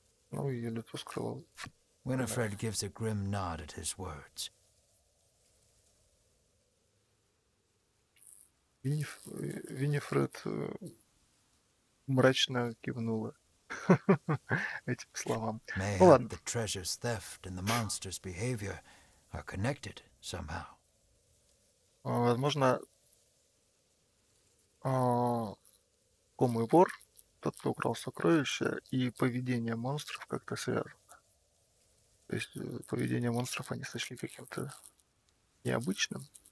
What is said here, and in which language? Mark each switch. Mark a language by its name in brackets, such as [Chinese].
[Russian] Ну, ее лицо скрыло. [English] Winifred gives a grim nod at his words. [Russian] Винифред мрачно кивнула этим словам. [English] Mayhem, ну, the treasure's theft and the monster's behavior are connected. Somehow. [Russian] Возможно, вор, тот, кто украл сокровища, и поведение монстров как-то связано. То есть поведение монстров они сочли каким-то необычным.